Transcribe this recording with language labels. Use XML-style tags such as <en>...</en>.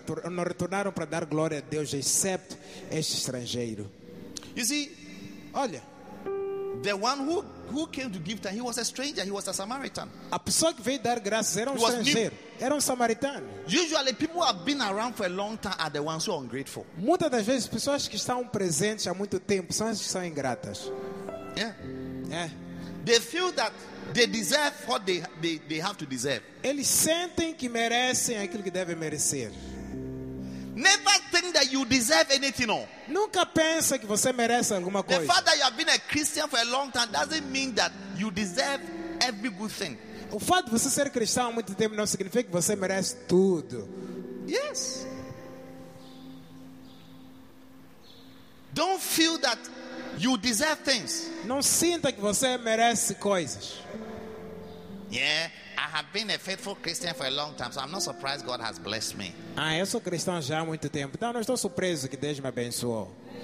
<pt>Não retornaram para dar glória a Deus, exceto este estrangeiro.</pt> <en>You see,</en> <pt>olha,</pt> <en>the one who came to give, he was a stranger, he was a Samaritan.</en> <pt>A pessoa que veio dar graças era estrangeiro, era samaritano.</pt> <en>Usually people have been around for a long time are the ones who are ungrateful.</en> <pt>Muitas das vezes pessoas que estão presentes há muito tempo são as que são ingratas.</pt> <en>Yeah. Yeah. They feel that they deserve what they have to deserve.</en> <pt>Eles sentem que merecem aquilo que devem merecer.</pt> <en>Never think that you deserve anything.</en> <pt>Nunca pense que você merece alguma coisa.</pt> <en>The fact that you have been a Christian for a long time doesn't mean that you deserve every good thing.</en> <pt>O fato de você ser cristão há muito tempo não significa que você merece tudo.</pt> <en>Yes. Don't feel that you deserve things.</en> <pt>Não sinta que você merece coisas.</pt> <en>Yeah. I have been a faithful Christian for a long time, so I'm not surprised God has blessed me.</en> <pt>Ah, eu sou cristão já há muito tempo, então não estou surpreso que Deus me abençoou.</pt>